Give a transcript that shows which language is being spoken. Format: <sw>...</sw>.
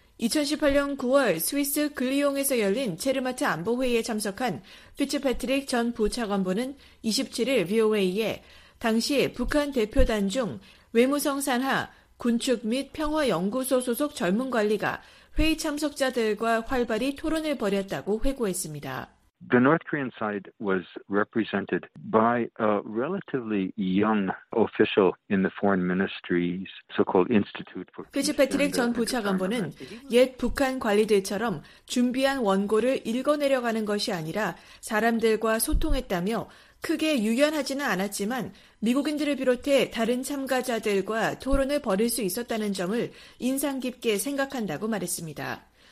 <ko>2018년 9월 스위스 글리옹에서 열린 체르마트 안보회의에 참석한 피츠패트릭 전 부차관보는 27일 VOA에 당시 북한 대표단 중 외무성 산하, 군축 및 평화연구소 소속 젊은 관리가 회의 참석자들과 활발히 토론을 벌였다고 회고했습니다.</ko> <en>The North Korean side was represented by a relatively young official in the foreign ministry's so-called Institute for Peace.</en> <ko>피츠패트릭 전 부차관보는 옛 북한 관리들처럼 준비한 원고를 읽어내려가는 것이 아니라 사람들과 소통했다며 크게 유연하지는 않았지만 미국인들을 비롯해 다른 참가자들과 토론을 벌일 수 있었다는 점을 인상 깊게 생각한다고 말했습니다.</ko>